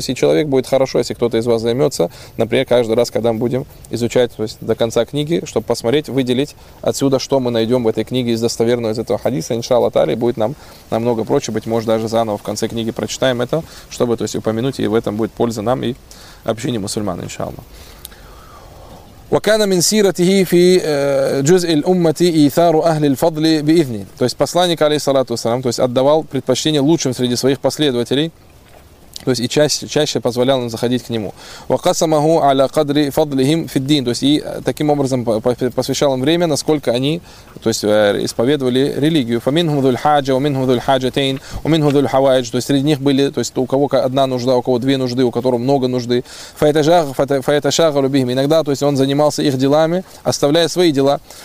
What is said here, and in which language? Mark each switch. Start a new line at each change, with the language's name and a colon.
Russian: То есть и человек будет хорошо, если кто-то из вас займется, например, каждый раз, когда мы будем изучать то есть, до конца книги, чтобы посмотреть, выделить отсюда, что мы найдем в этой книге из достоверного, из этого хадиса, иншаллах тали, будет нам намного проще, быть может, даже заново в конце книги прочитаем это, чтобы то есть, упомянуть, и в этом будет польза нам и общине мусульман, иншаллах.
Arabic: وكان من سيرته في جزء الأمة إيثار أهل الفضل بإذنه.
Russian: То есть посланник алейхиссалату вассалям, то есть отдавал предпочтение лучшим среди своих последователей. То есть и чаще позволял им заходить к нему.
Arabic: وقسمه على قدر فضلهم في الدين.
Russian: То есть и таким образом посвящал им время, насколько они, то есть исповедовали религию.
Arabic: فمنهم ذو الحاجة ومنهم ذو الحاجتين ومنهم ذو الحوائج.
Russian: То есть среди них были, то есть у кого одна нужда, у кого две нужды, у которого много нужды.
Arabic: فيتشاغل بهم.
Russian: Иногда, то есть он занимался их делами, оставляя свои дела.